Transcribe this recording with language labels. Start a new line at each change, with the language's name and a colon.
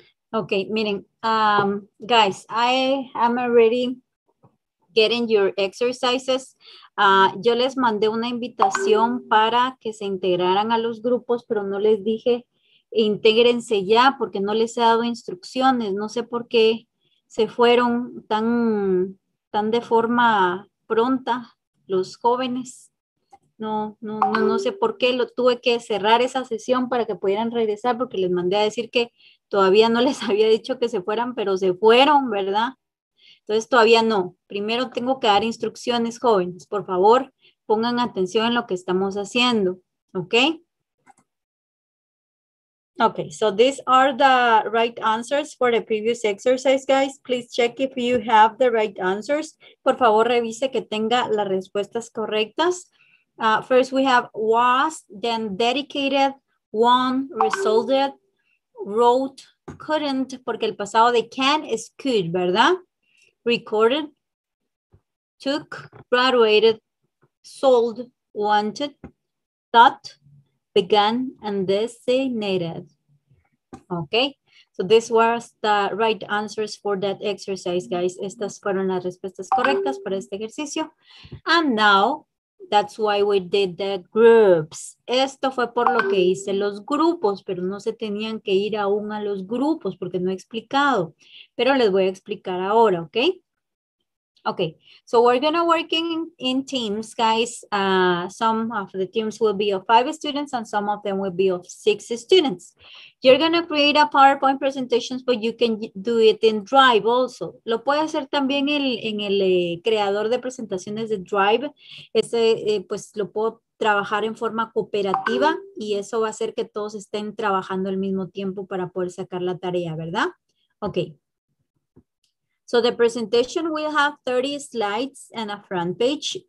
English: Okay, miren, guys, I'm already getting your exercises.
Spanish: Yo les mandé una invitación para que se integraran a los grupos, pero no les dije, intégrense ya, porque no les he dado instrucciones. No sé por qué se fueron tan de forma pronta los jóvenes. No sé por qué tuve que cerrar esa sesión para que pudieran regresar, porque les mandé a decir que todavía no les había dicho que se fueran, pero se fueron, ¿verdad? Entonces todavía no. Primero tengo que dar instrucciones, jóvenes. Por favor, pongan atención en lo que estamos haciendo, ¿ok?
English: Okay, so these are the right answers for the previous exercise, guys. Please check if you have the right answers.
Spanish: Por favor, revise que tenga las respuestas correctas.
English: First, we have was, then dedicated, won, resulted, wrote, couldn't,
Spanish: porque el pasado de can es could, ¿verdad?
English: Recorded, took, graduated, sold, wanted, thought, began, and designated. Okay, so this was the right answers for that exercise, guys.
Spanish: Estas fueron las respuestas correctas para este ejercicio.
English: And now, that's why we did the groups.
Spanish: Esto fue por lo que hice los grupos, pero no se tenían que ir aún a los grupos porque no he explicado. Pero les voy a explicar ahora, okay?
English: Okay, so we're gonna work in teams, guys. Some of the teams will be of 5 students and some of them will be of 6 students. You're gonna create a PowerPoint presentation, but you can do it in Drive also.
Spanish: Lo puede hacer también en el creador de presentaciones de Drive. Pues lo puedo trabajar en forma cooperativa y eso va a hacer que todos estén trabajando al mismo tiempo para poder sacar la tarea, ¿verdad?
English: Okay. So the presentation will have 30 slides and a front page.